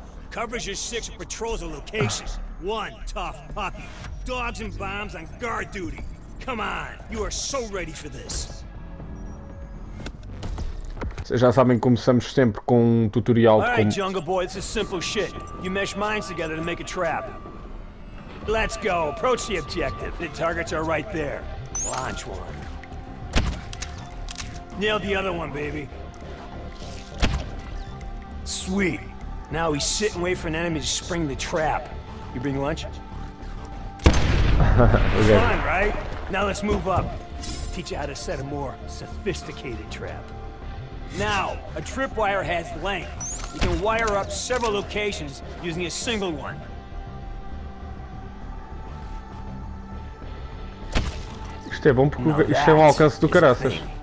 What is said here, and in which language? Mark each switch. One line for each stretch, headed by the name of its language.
English: Covers your six and patrols the locations. One tough puppy. Dogs and bombs on guard duty. Come on, you are so ready for this.
Portuguese: Vocês já sabem que começamos sempre com um tutorial de como...
English: Alright, Jungle Boy, this is simple shit. You mesh minds together to make a trap. Let's go, approach the objective. The targets are right there. Launch one. Nail the other one, baby. Sweet. Now we sit and wait for an enemy to spring the trap. You bring lunch? Okay. Fun, right? Now let's move up. Teach you how to set a more sophisticated trap. Now, a tripwire has length. You can wire up several locations using a single one.
Portuguese: Isto é bom porque isto tem um alcance do caraças.